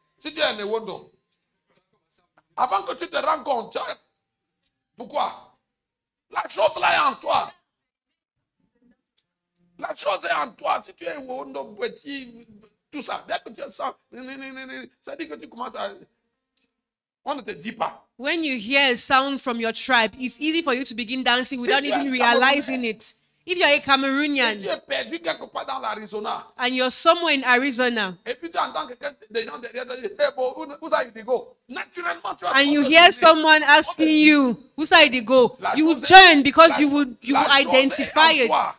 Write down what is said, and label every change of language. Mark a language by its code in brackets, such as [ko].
[fr] Si tu es un Ewondo, avant que tu te rendes compte, pourquoi? La chose là est en toi. La chose est en toi. Si tu es un Wondo, tout ça, dès que tu le sens, ça dit que tu commences à. On ne te dit pas. [en] When you hear a sound from your tribe, it's easy for you to begin dancing without even realizing it. If you're a Cameroonian, [fr] si tu es perdu quelque part dans l'Arizona, [en] and you're somewhere in Arizona, [fr] et puis tu entends quelqu'un des gens derrière, hey, bon, où ça il go? Naturellement, tu as. [en] And you hear someone asking you, [fr] "Où ça il go?" [en] You will turn because you will identify it.